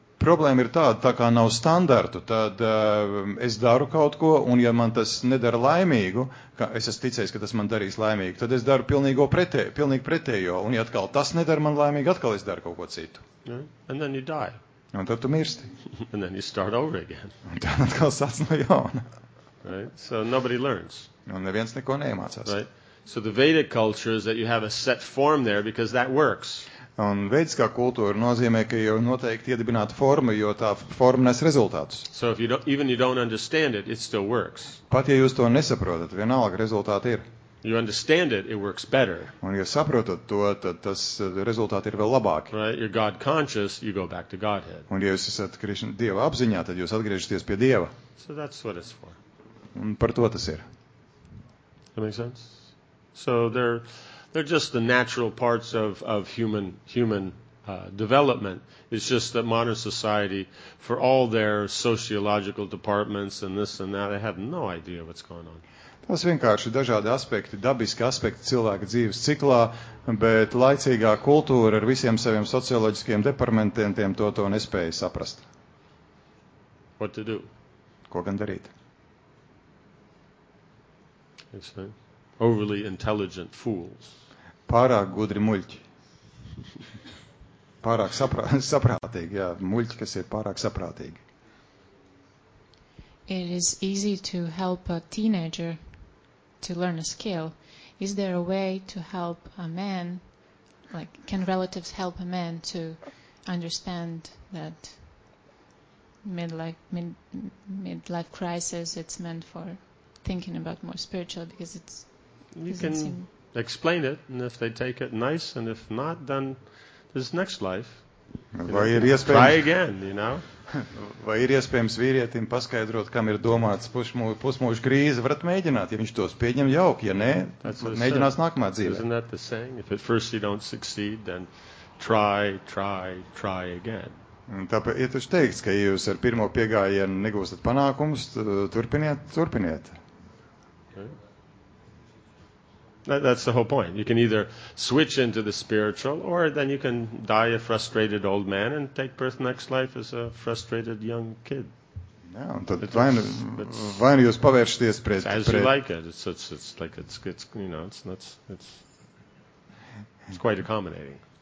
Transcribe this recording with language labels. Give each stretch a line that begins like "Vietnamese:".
Latvian: Problēma ir tāda, tā kā nav standartu, tad es daru kaut ko, un ja man tas nedara laimīgu, ka es esmu ticējis, ka tas man darīs laimīgu, tad es daru pilnīgi pretējo, un ja atkal tas nedara man laimīgu, atkal es daru kaut ko citu.
English: Yeah. And then you die.
Latvian: Un tad tu mirsti.
English: And then you start over again.
Latvian: Un tad atkal sāc no jauna.
English: Right? So nobody learns.
Latvian: Un neviens neko neiemācās.
English: Right? So the Vedic culture is that you have a set form there because that works.
Latvian: Un veidiskā kultūra nozīmē, ka jau noteikti iedibināta forma, jo tā forma nes rezultātus.
English: So if you don't, even you don't understand it, it still works.
Latvian: Pat ja jūs to nesaprotat, vienalga rezultāti ir.
English: You understand it, it works better.
Latvian: Un ja saprotat to, tad tas rezultāti ir vēl labāki.
English: Right? You're God conscious, you go back to Godhead.
Latvian: Un ja jūs esat Krišna Dieva apziņā, tad jūs atgriežaties pie Dieva.
English: So that's what it's for.
Latvian: Un par to tas ir.
English: That makes sense? So they're just the natural parts of human development. It's just that modern society, for all their sociological departments and this and that, they have no idea what's going on.
Latvian: Tas vienkārši dažādi aspekti, dabiski aspekti cilvēka dzīves ciklā, bet laicīgā kultūra ar visiem saviem socioloģiskiem departamentiem to nespēja saprast.
English: What to do?
Latvian: Ko gan darīt?
English: It's fine. Overly intelligent fools.
Latvian: Pārāk gudri muļķi. Pārāk saprātīgi, jā, muļķi, kas ir pārāk saprātīgi.
English: It is easy to help a teenager to learn a skill. Is there a way to help a man, like, can relatives help a man to understand that midlife crisis, it's meant for thinking about more spiritual, because it's You can explain it, and if they take it, nice, and if not, then there's next life.
Latvian: Vai
English: know,
Latvian: ir iespējams,
English: try again, you know?
Latvian: Vai ir iespējams vīrietim paskaidrot, kam ir domāts pusmūžu krīze? Varat mēģināt, ja viņš tos pieņem jauki, ja nē, mēģinās nākamā dzīve.
English: Isn't that the saying? If at first you don't succeed, then try again.
Latvian: Tāpēc ir taču teikts, ka jūs ar pirmo piegājienu negūstat panākumus, turpiniet.
English: Okay. That's the whole point. You can either switch into the spiritual or then you can die a frustrated old man and take birth next life as a frustrated young kid.
Latvian: Jā, un tad vai jūs pavēršaties pret...
English: As you like it. It's like it's you know, it's quite accommodating.